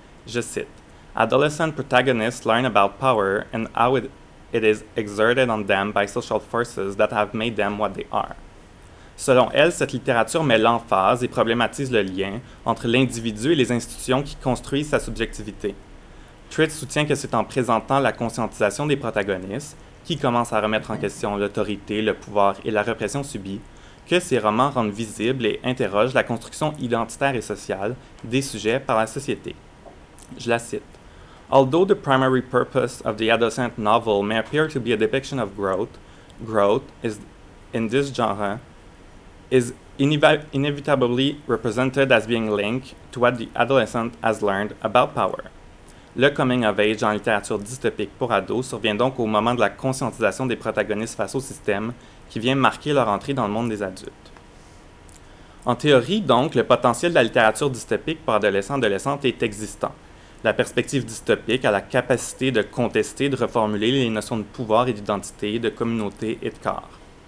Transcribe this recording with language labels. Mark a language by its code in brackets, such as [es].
[fr] Je cite, « [en] Adolescent protagonists learn about power and how it is exerted on them by social forces that have made them what they are. [fr] » Selon elle, cette littérature met l'emphase et problématise le lien entre l'individu et les institutions qui construisent sa subjectivité. Tritt soutient que c'est en présentant la conscientisation des protagonistes, qui commencent à remettre en question l'autorité, le pouvoir et la répression subie, que ces romans rendent visible et interrogent la construction identitaire et sociale des sujets par la société. Je la cite. [en] Although the primary purpose of the adolescent novel may appear to be a depiction of growth is in this genre is inevitably represented as being linked to what the adolescent has learned about power. [fr] Le coming of age en littérature dystopique pour ados survient donc au moment de la conscientisation des protagonistes face au système qui vient marquer leur entrée dans le monde des adultes. En théorie, donc, le potentiel de la littérature dystopique pour adolescents-adolescentes est existant. La perspective dystopique a la capacité de contester, de reformuler les notions de pouvoir et d'identité, de communauté et de corps.